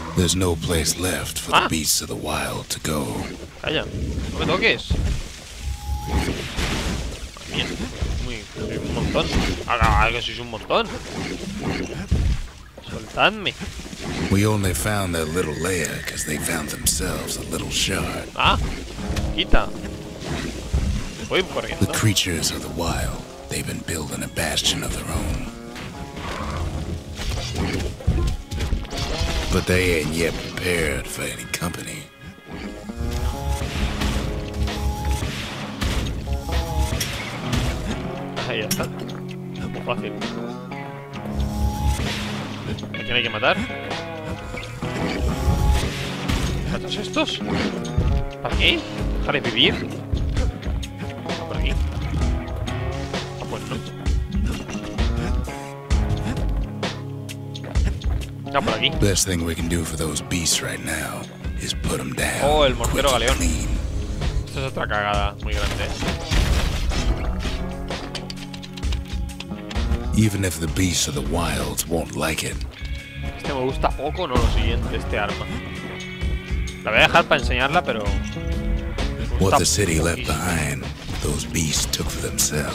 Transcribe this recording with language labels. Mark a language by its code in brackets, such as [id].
[en] There's no place left for the beasts of the wild to go. [es] Calla, no me toques. Mía, soy un montón. Haga que sois un montón. Soltadme. [en] We only found their little lair because they found themselves a little short. [es] Ah, quita. Voy corriendo. [en] The creatures of the wild, they've been building a bastion of their own. But they ain't yet prepared for any company. [es] Ahí está. Muy fácil. ¿A quién hay que matar? ¿A todos estos? ¿Para qué? ¿Dejar de vivir? ¿Va por aquí? Ah, pues no. Está por aquí. [en] Best thing we can do for those beasts right now is put them down. [es] Oh, el mortero galeón. Esto es otra cagada muy grande. [en] Even if the beasts of the wilds won't like it. [es] Este me gusta poco, no lo siguiente, este arma. La voy a dejar para enseñarla, pero. [en] What the city left behind, those beasts took for themselves.